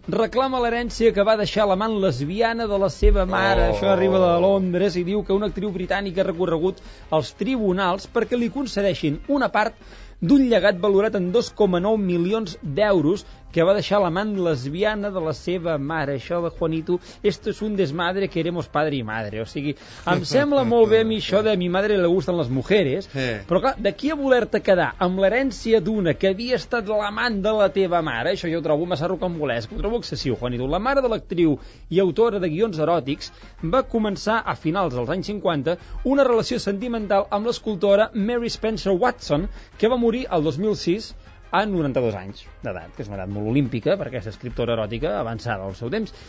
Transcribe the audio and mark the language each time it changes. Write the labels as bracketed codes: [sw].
[ca] reclama l'herència que va deixar la amant lesbiana de la seva mare. Això arriba de Londres i diu que una actriu britànica ha recorregut als tribunals perquè li concedeixin una part d'un llegat valorat en 2,9 milions d'euros que va deixar l'amant lesbiana de la seva mare. Això de Juanito, [es] esto es un desmadre que éremos padre y madre. [ca] O sigui, em sembla molt bé a mi això de [es] mi madre le gustan las mujeres, [ca] però clar, d'aquí a voler-te quedar amb l'herència d'una que havia estat l'amant de la teva mare, això jo ho trobo massa rocambolesc, ho trobo excessiu, Juanito. La mare de l'actriu i autora de guions eròtics va començar a finals dels anys 50 una relació sentimental amb l'escultora Mary Spencer Watson, que va morir el 2006 a 92 anys d'edat, que és una edat molt olímpica per aquesta escriptora eròtica avançada al seu temps.